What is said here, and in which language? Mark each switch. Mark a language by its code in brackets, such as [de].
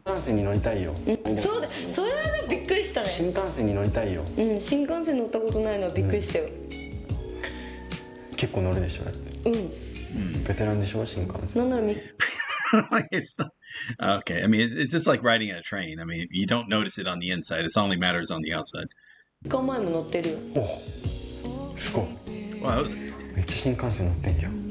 [ja] 新幹線乗りたいよ。そうだ。それはびっくりしたね。新幹線乗りたいよ。うん、新幹線乗ったことないのはびっくりしたよ。結構乗るでしょ、新幹線。うん。ベテランでしょ、新幹線。なんなら3日。I [en] okay. I mean, it's just like riding a train. I mean, you don't notice it on the inside. It's only matters on the outside. [ja] 3日前も乗ってるよ。お。すごい。めっちゃ新幹線乗ってんじゃん。